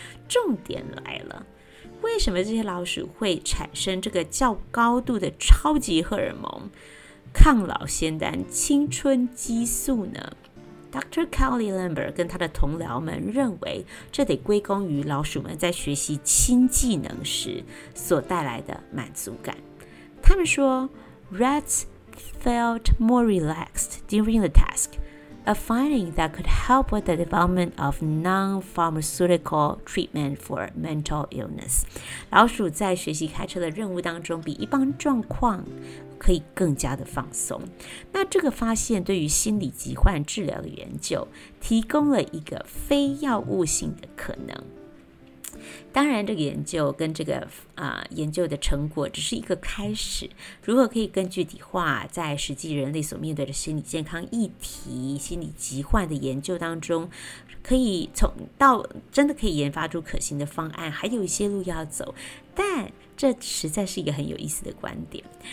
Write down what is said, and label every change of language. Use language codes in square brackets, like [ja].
[zh] 重点来了，为什么这些老鼠会产生这个较高度的超级荷尔蒙抗老仙丹青春激素呢？ [en] Dr. [zh] Kelly Lambert 跟他的同僚们认为，这得归功于老鼠们在学习新技能时所带来的满足感。他们说 [en] Rats felt more relaxed during the task, a finding that could help with the development of non-pharmaceutical treatment for mental illness. [zh] 老鼠在学习开车的任务当中，比一般状况可以更加的放松。那这个发现对于心理疾患治疗的研究提供了一个非药物性的可能。当然这个研究跟这个、研究的成果只是一个开始，如何可以更具体化在实际人类所面对的心理健康议题、心理疾患的研究当中，可以从到真的可以研发出可行的方案，还有一些路要走，但这实在是一个很有意思的观点。